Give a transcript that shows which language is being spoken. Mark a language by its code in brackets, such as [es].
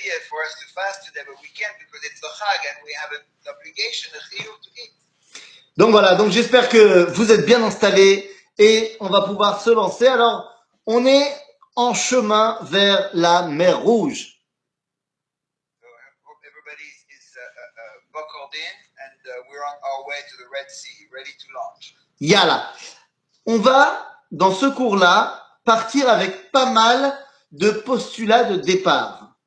[en] For us to fast today, but we can't because it's the Chag and we have an obligation, a chiyuv to eat. [fr] Donc voilà, donc j'espère que vous êtes bien installés et on va pouvoir se lancer. Alors, on est en chemin vers la mer Rouge. [en] So I hope everybody is buckled in and we're on our way to the Red Sea, ready to launch. Yala. [fr] On va, dans ce cours-là, partir avec pas mal de postulats de départ.